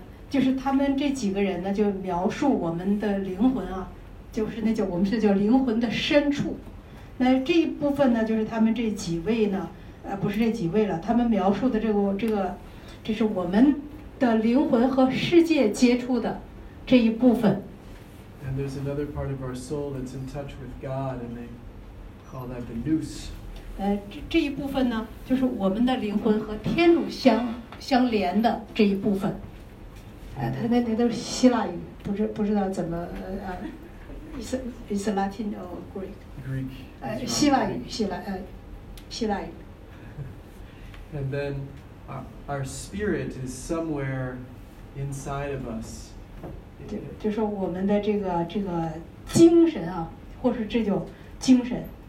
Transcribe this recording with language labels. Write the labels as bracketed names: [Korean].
[Chinese] 就是他们这几个人呢，就描述我们的灵魂啊，就是那叫我们是叫灵魂的深处。那这一部分呢，就是他们这几位呢，不是这几位了，他们描述的这个，这是我们的灵魂和世界接触的这一部分。 [English] And there's another part of our soul that's in touch with God, and they call that the nous. [Chinese] 这一部分呢，就是我们的灵魂和天主相连的这一部分。那都是希腊语，不知道怎么 [English] is Latin or Greek. Greek. And then our spirit is somewhere inside of us. [Chinese] 就是我们的这个精神啊，或是这种精神。